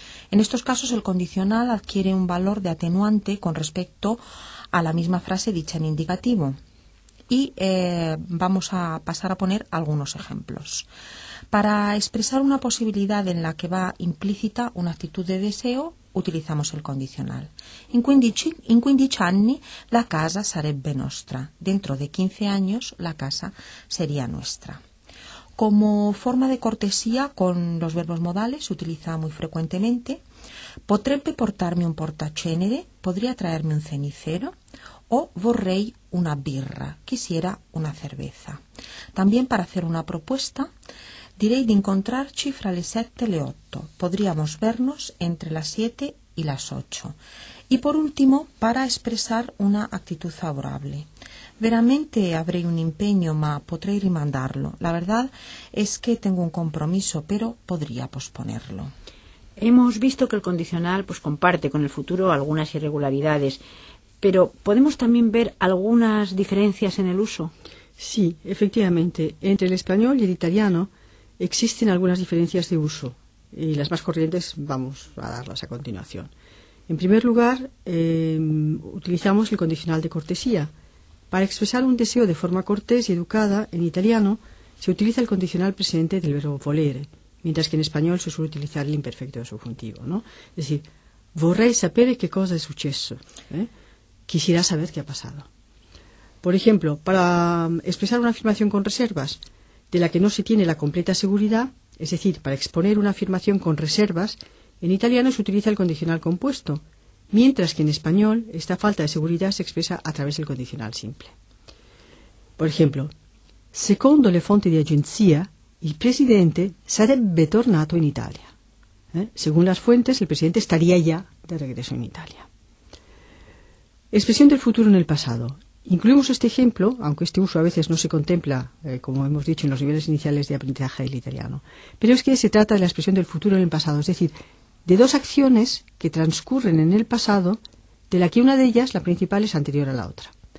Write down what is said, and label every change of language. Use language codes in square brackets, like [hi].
[es] En estos casos, el condicional adquiere un valor de atenuante con respecto a la misma frase dicha en indicativo. Y vamos a pasar a poner algunos ejemplos. Para expresar una posibilidad en la que va implícita una actitud de deseo, utilizamos el condicional. [it] In 15 anni la casa sarebbe nostra. [es] Dentro de 15 años la casa sería nuestra. Como forma de cortesía con los verbos modales, se utiliza muy frecuentemente. [it] Potrebbe portarmi un portacenere, [es] podría traerme un cenicero, [it] o vorrei una birra, [es] quisiera una cerveza. También para hacer una propuesta, [it] direi di incontrarci fra le 7 e le 8, [es] podríamos vernos entre las 7 y las 8. Y por último, para expresar una actitud favorable. [it] Veramente habrei un impegno, ma potrei rimandarlo. [es] La verdad es que tengo un compromiso, pero podría posponerlo. Hemos visto que el condicional, pues, comparte con el futuro algunas irregularidades, pero ¿podemos también ver algunas diferencias en el uso? Sí, efectivamente. Entre el español y el italiano existen algunas diferencias de uso, y las más corrientes vamos a darlas a continuación. En primer lugar, utilizamos el condicional de cortesía, Para expresar un deseo de forma cortés y educada, en italiano se utiliza el condicional presente del verbo volere, mientras que en español se suele utilizar el imperfecto subjuntivo, ¿no? Es decir, [it] vorrei sapere che cosa è successo. [es] Quisiera saber qué ha pasado. Por ejemplo, para expresar una afirmación con reservas de la que no se tiene la completa seguridad, es decir, para exponer una afirmación con reservas, en italiano se utiliza el condicional compuesto, mientras que en español esta falta de seguridad se expresa a través del condicional simple. Por ejemplo, [it] secondo le fonti di agenzia, il presidente sarebbe tornato in Italia. [es] Según las fuentes, el presidente estaría ya de regreso en Italia. Expresión del futuro en el pasado. Incluimos este ejemplo, aunque este uso a veces no se contempla, como hemos dicho, en los niveles iniciales de aprendizaje del italiano. Pero es que se trata de la expresión del futuro en el pasado, es decir, de dos acciones que transcurren en el pasado, de la que una de ellas, la principal, es anterior a la otra.